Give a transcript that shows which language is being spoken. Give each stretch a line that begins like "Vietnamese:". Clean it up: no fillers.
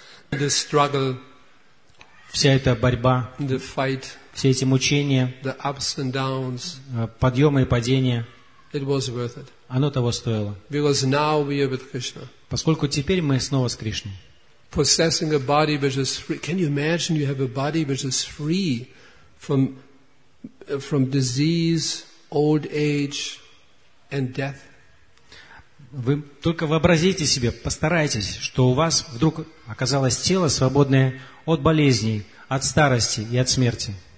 English: The struggle,
Russian: вся эта борьба,
English: the fight,
Russian: все эти мучения,
English: the ups and downs,
Russian: подъемы и падения,
English: it was worth it.
Russian: Оно того стоило.
English: Because now we are with Krishna.
Russian: Поскольку теперь мы снова с Кришной.
English: Possessing a body which is free. Can you imagine you have a body which is free from disease, old age, and death?
Russian: Вы только вообразите себе, постарайтесь, что у вас вдруг оказалось тело, свободное от болезней, от старости и от смерти.